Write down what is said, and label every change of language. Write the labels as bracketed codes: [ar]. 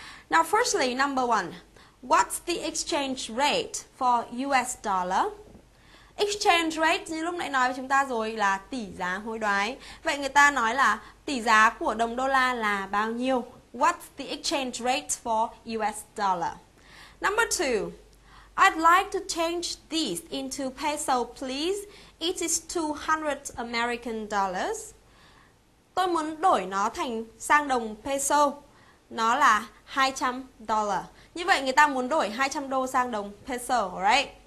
[en] Now firstly, number one. What's the exchange rate for US dollar? [vi] Exchange rate như lúc nãy nói với chúng ta rồi là tỷ giá hối đoái. Vậy người ta nói là tỷ giá của đồng đô la là bao nhiêu? [en] What's the exchange rate for US dollar? Number two, I'd like to change this into peso, please. It is 200 American dollars. [vi] Tôi muốn đổi nó thành sang đồng peso. Nó là 200 dollar. Như vậy người ta muốn đổi 200 đô sang đồng peso, right?